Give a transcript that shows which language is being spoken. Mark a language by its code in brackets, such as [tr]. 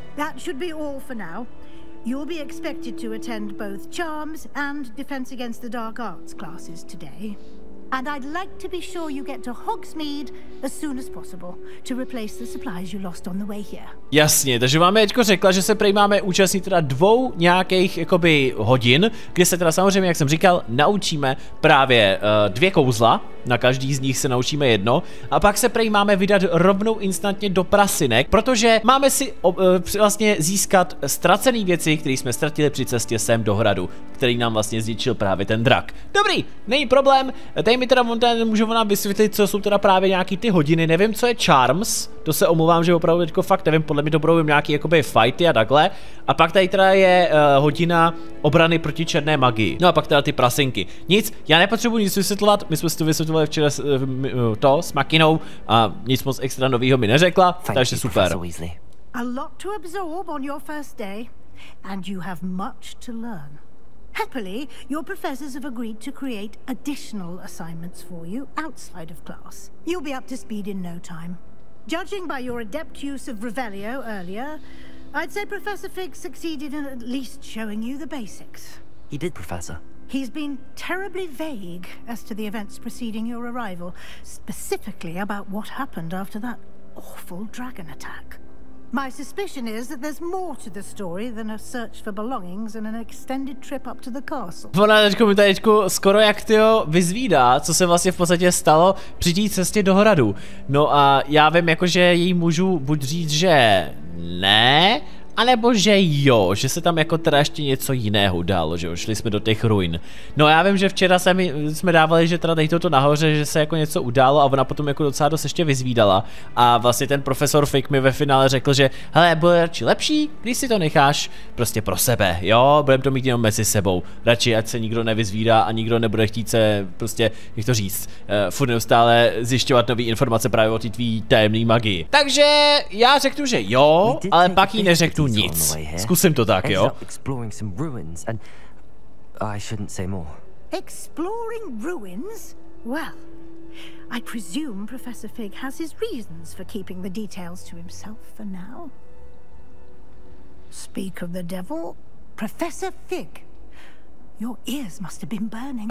[en] That should be all for now. You'll be expected to attend both charms and defense against the dark arts classes today. And I'd like to be sure you get to Hogsmeade as soon as possible to replace the supplies you lost on the way here. [cs] Jasně, takže máme teďko řekla, že se prej máme účastnit teda dvou nějakých jakoby hodin, kde se teda samozřejmě, jak jsem říkal, naučíme právě dvě kouzla. Na každý z nich se naučíme jedno. A pak se prej máme vydat rovnou instantně do prasinek, protože máme si vlastně získat ztracený věci, které jsme ztratili při cestě sem do hradu, který nám vlastně zničil právě ten drak. Dobrý, není problém. Tady mi teda můžu nám vysvětlit, co jsou teda právě nějaký ty hodiny. Nevím, co je charms. To se omlouvám, že opravdu teďko fakt nevím, podle mě to budou nějaký jakoby fighty a takhle. A pak tady teda je hodina obrany proti černé magii. No a pak teda ty prasinky. Nic, já nepotřebuji nic vysvětlovat, my jsme si to vysvětlovali včera to s Makinou a nic moc extra novýho mi neřekla, takže super. [en] A lot to absorb on your first day and you have much to learn. Happily, your professors have agreed to create additional assignments for you outside of class. You'll be up to speed in no time. Judging by your adept use of Revelio earlier, I'd say Professor Fig succeeded in at least showing you the basics. He did, Professor. He's been terribly vague as to the events preceding your arrival, specifically about what happened after that awful dragon attack. My suspicion is that there's more to the story than a search for belongings and an extended trip up to the castle. [cs] Ona teďko mi tadyčko skoro jak tyjo vyzvídá, co se vlastně v podstatě stalo při té cestě do hradu. No a já vím jako, že jí můžu buď říct, že ne, anebo že jo, že se tam jako teda ještě něco jiného dalo, že jo, šli jsme do těch ruin. No já vím, že včera jsme dávali, že teda nejde to nahoře, že se jako něco událo a ona potom jako docela dost ještě vyzvídala. A vlastně ten profesor Fick mi ve finále řekl, že hele, bude radši lepší, když si to necháš prostě pro sebe, jo, budeme to mít jenom mezi sebou. Radši, ať se nikdo nevyzvídá a nikdo nebude chtít se prostě, jak to říct, furt neustále zjišťovat nové informace právě o té tvý tajemné magii. Takže já řeknu, že jo, ale pak jí neřeknu. Tu nic. Zkusím to tak, jo. [en] Exploring some ruins and I shouldn't say more. Exploring ruins? Well, I presume Professor Fig has his reasons for keeping the details to himself for now. Speak of the devil, Professor Fig. Your ears must have been burning.